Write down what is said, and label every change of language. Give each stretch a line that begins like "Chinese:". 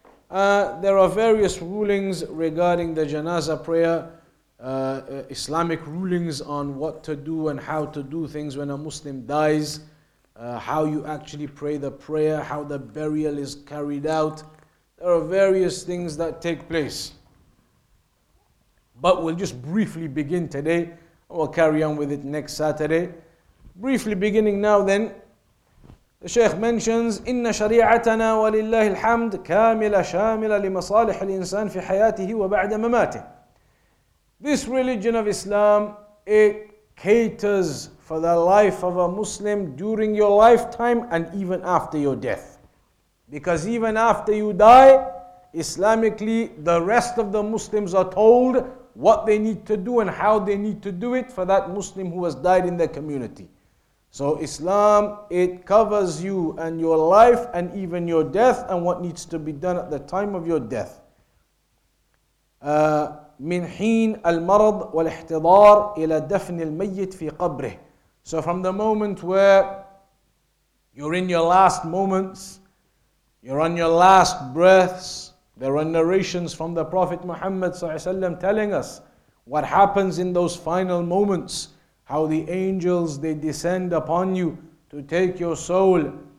English: There are various rulings regarding the janazah prayer, Islamic rulings on what to do and how to do things when a Muslim dies, how you actually pray the prayer, how the burial is carried out. There are various things that take place. But we'll just briefly begin today, and we'll carry on with it next Saturday. Briefly beginning now then, the Shaykh mentions,
Arabic: إن شريعتنا ولله الحمد كاملة شاملة لمصالح الإنسان في حياته وبعد مماته.
English: This religion of Islam, it caters for the life of a Muslim during your lifetime and even after your death. Because even after you die, Islamically, the rest of the Muslims are told what they need to do and how they need to do it for that Muslim who has died in their community. So Islam, it covers you and your life and even your death and what needs to be done at the time of your death.
Arabic: من حين المرض والاحتضار إلى دفن الميت في قبره.
English: So from the moment where you're in your last moments, you're on your last breaths, there are narrations from the Prophet Muhammad ﷺ telling us what happens in those final moments. How the angels, they descend upon you to take your soul.